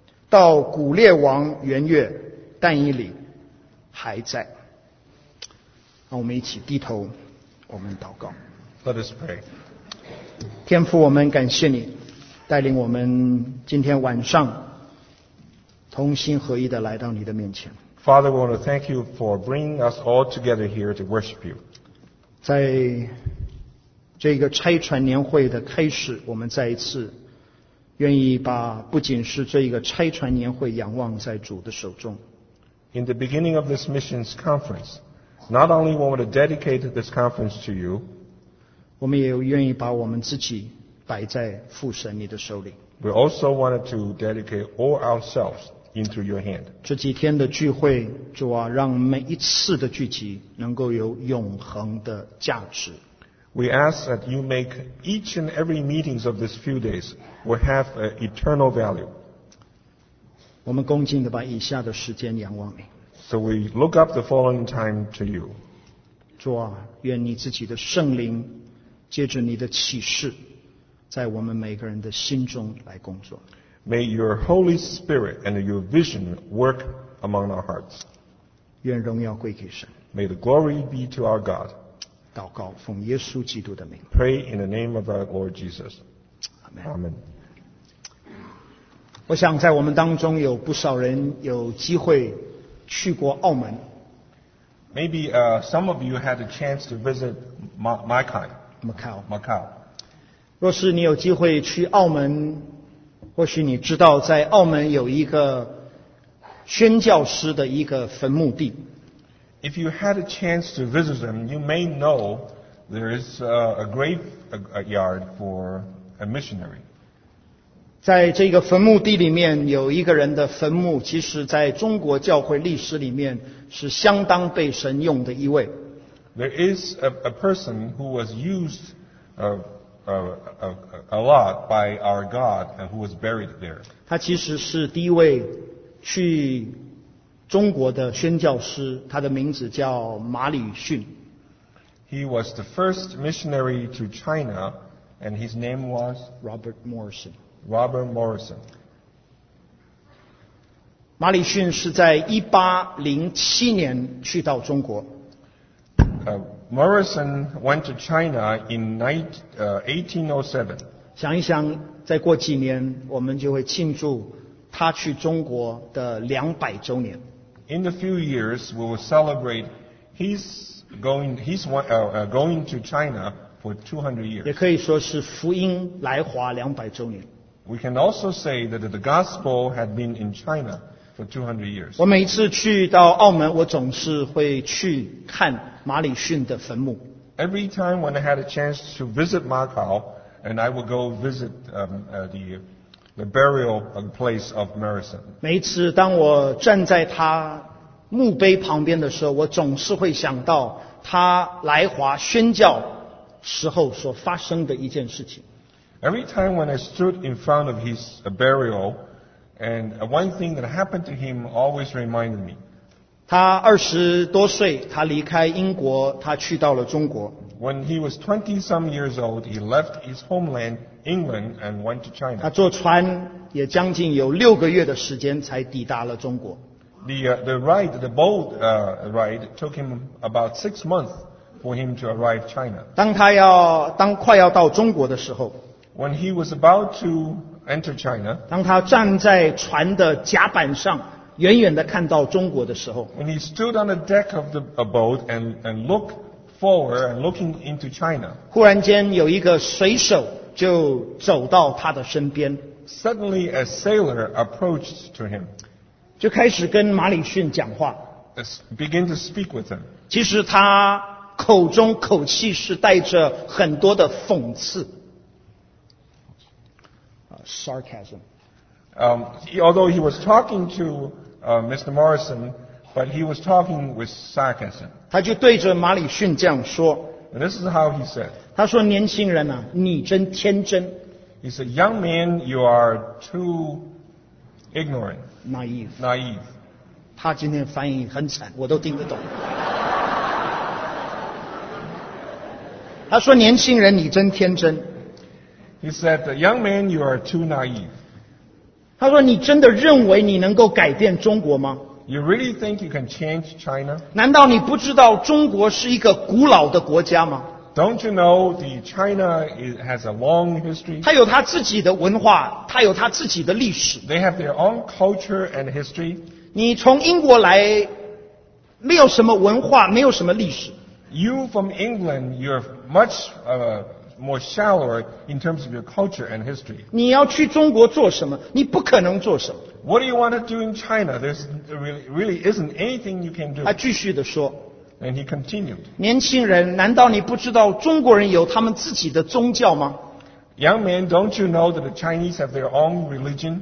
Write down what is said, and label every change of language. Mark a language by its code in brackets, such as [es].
[zh] 到古列王元月，但以理还在。让我们一起低头，我们祷告。 [en] Let us pray. [zh] 天父，我们感谢你带领我们今天晚上同心合一地来到你的面前。 [en] Father, we want to thank you for bringing us all together here to worship you. [zh] 在这个拆船年会的开始，我们再一次愿意把不仅是这一个拆船年会仰望在主的手中。 [en] In the beginning of this missions conference, not only want to dedicate this conference to you, [zh] 我们也愿意把我们自己摆在父神你的手里。 [en] We also wanted to dedicate all ourselves into your hand. [zh] 这几天的聚会，主啊，让每一次的聚集能够有永恒的价值。 [en] We ask that you make each and every meetings of this few days will have an eternal value. [zh] 我们恭敬地把以下的时间仰望你。 [en] So we look up the following time to you. [zh] 主啊，愿你自己的圣灵借着你的启示在我们每个人的心中来工作。 [en] May your Holy Spirit and your vision work among our hearts. [zh] 愿荣耀归给神。 [en] May the glory be to our God. [zh] 祷告奉耶稣基督的名。 [en] Pray in the name of our Lord Jesus. Amen. Amen. [zh] 我想在我们当中有不少人有机会去过澳门。 [en] Maybe some of you had a chance to visit Macau. Macau. [zh] 若是你有机会去澳门，或许你知道在澳门有一个宣教师的一个坟墓地。 [en] If you had a chance to visit them, you may know there is a graveyard for a missionary. [zh] 在这个坟墓地里面有一个人的坟墓，其实在中国教会历史里面是相当被神用的一位。 [en] There is a person who was used of. A lot by our God and who was buried there. [zh] 他其实是第一位去中国的宣教师，他的名字叫马里逊。 [en] He was the first missionary to China, and his name was Robert Morrison. Robert Morrison. [zh] 马里逊是在1807年去到中国。 [en] Morrison went to China in 1807. [zh] 想一想，再过几年，我们就会庆祝他去中国的200周年。 [en] In a few years, we will celebrate his going to China for 200 years. [zh] 也可以说是福音来华200周年。 [en] We can also say that the gospel had been in China for 200 years. [zh] 我每一次去到澳门，我总是会去看马里逊的坟墓。 [en] Every time when I had a chance to visit Macau, and I would go visit the burial place of Morrison. [zh] 每一次当我站在他墓碑旁边的时候，我总是会想到他来华宣教时候所发生的一件事情。 [en] Every time when I stood in front of his burial, and one thing that happened to him always reminded me. [zh] 他20多岁，他离开英国，他去到了中国。 [en] When he was 20 some years old, he left his homeland, England, and went to China. [zh] 他坐船也将近有6个月的时间才抵达了中国。 [en] The boat ride took him about 6 months for him to arrive China. [zh] 当快要到中国的时候 [en] ，When he was about to enter China, [zh] 当他站在船的甲板上。远远地看到中国的时候 [en] When he stood on the deck of the boat and looked forward and looking into China. [zh] 忽然间有一个水手就走到他的身边。 [en] Suddenly a sailor approached to him. [zh] 就开始跟马里逊讲话。 [en] Begin to speak with him. [zh] 其实他口中口气是带着很多的讽刺。 [en] Sarcasm. Although he was talking to Mr. Morrison, but he was talking with sarcasm. [zh] 他就对着马里逊这样说。 [en] And this is how he said. [zh] 他说年轻人啊，你真天真。 [en] He said, young man, you are too ignorant. Naive. Naive. [zh] 他今天翻译很惨，我都听得懂。他说年轻人你真天真。 [en] He said, young man, you are too naive. [zh] 他说你真的认为你能够改变中国吗？ [en] You really think you can change China? [zh] 难道你不知道中国是一个古老的国家吗？ [en] Don't you know the China has a long history? [zh] 他有他自己的文化，他有他自己的历史。 [en] They have their own culture and history. [zh] 你从英国来，没有什么文化，没有什么历史。 [en] You from England, you're much more shallower in terms of your culture and history. [zh] 你要去中国做什么？你不可能做什么。 [en] What do you want to do in China? There's really isn't anything you can do. [zh] 他继续地说。 [en] And he continued. [zh] 年轻人，难道你不知道中国人有他们自己的宗教吗？ [en] Young man, don't you know that the Chinese have their own religion?